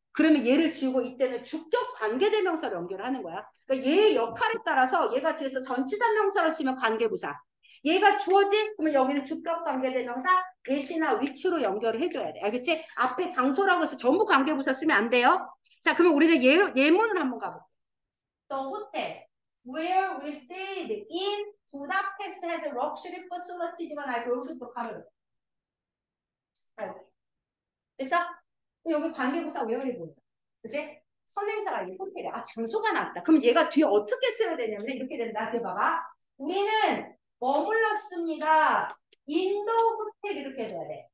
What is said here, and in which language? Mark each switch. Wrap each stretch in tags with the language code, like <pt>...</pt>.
<ko>그러면 얘를 지우고 이때는 주격 관계대명사로 연결하는 거야. 그러니까 얘의 역할에 따라서 얘가 뒤에서 전치사 명사로 쓰면 관계부사. 얘가 주어지? 그러면 여기는 주격 관계대명사, 대시나 위치로 연결을 해줘야 돼. 알겠지? 앞에 장소라고 해서 전부 관계부사 쓰면 안 돼요. 자, 그러면 우리 이제 예문을 한번 가볼게.</ko> <en>The hotel where we stayed in Budapest had luxury facilities.</en> <ko>이거 나 여기서 또 가르쳐. 됐어? 여기 관계부사 where이 보여. 그치? 선행사가 이 호텔이야. 아, 장소가 나왔다. 그럼 얘가 뒤에 어떻게 써야 되냐면 이렇게 된다. 봐봐. 우리는 머물렀습니다. 인도 호텔 이렇게 돼야 돼.</ko>